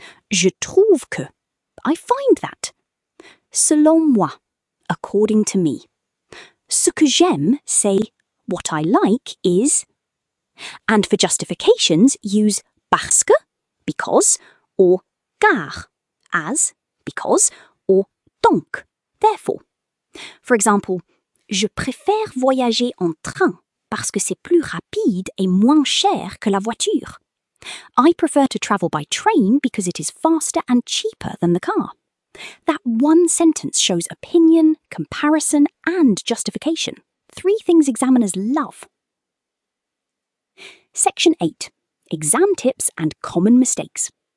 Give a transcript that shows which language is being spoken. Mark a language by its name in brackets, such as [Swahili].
[French] Je trouve que, [English] I find that. [French] Selon moi, [English] according to me. [French] Ce que j'aime, [English] say, what I like is. And for justifications, use parce que, because, or car. As, because, or donc, therefore. For example, [French] je préfère voyager en train parce que c'est plus rapide et moins cher que la voiture. [English] I prefer to travel by train because it is faster and cheaper than the car. That one sentence shows opinion, comparison, and justification. Three things examiners love. Section 8. Exam tips and common mistakes.